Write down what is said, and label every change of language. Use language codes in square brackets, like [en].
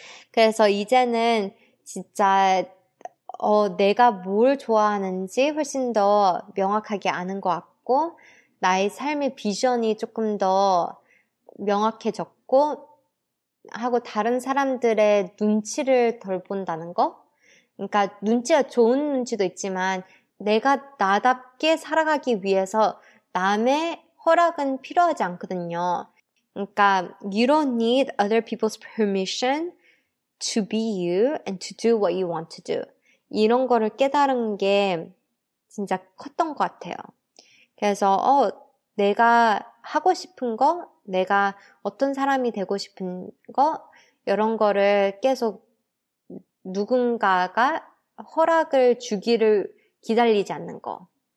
[ko] 그래서 이제는 진짜 내가 뭘 좋아하는지 훨씬 더 명확하게 아는 것 같고 나의 삶의 비전이 조금 더 명확해졌고 하고 다른 사람들의 눈치를 덜 본다는 거? 그러니까 눈치가 좋은 눈치도 있지만 내가 나답게 살아가기 위해서 남의 허락은 필요하지 않거든요. [en] 그러니까 you don't need other people's permission to be you and to do what you want to do. [ko] 이런 거를 깨달은 게 진짜 컸던 것 같아요. 그래서 내가 하고 싶은 거, 내가 어떤 사람이 되고 싶은 거 이런 거를 계속 누군가가 허락을 주기를 기다리지 않는 거.